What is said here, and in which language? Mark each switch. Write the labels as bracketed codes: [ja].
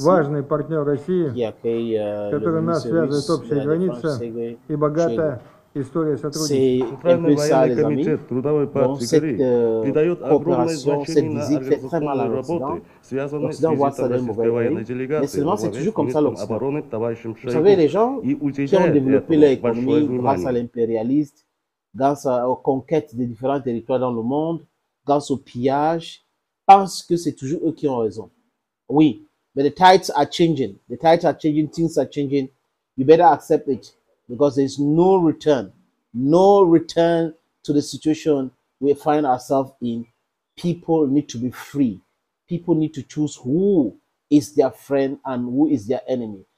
[ru] важный партнер России, который нас связывает общая граница и богатая история сотрудничества. Управленный комитет Трудовой партии Кореи придает огромное значение на организационные работы, связанные с визитом российской военной делегации во главе с обороны товарищем Шойгу, и уделяет этому большое внимание. [fr] Dans sa conquête des différents territoires dans le monde, dans son pillage, parce que c'est toujours eux qui ont raison. [en] Oui, but the tides are changing. The tides are changing, things are changing. You better accept it, because there's no return. No return to the situation we find ourselves in. People need to be free. People need to choose who is their friend and who is their enemy.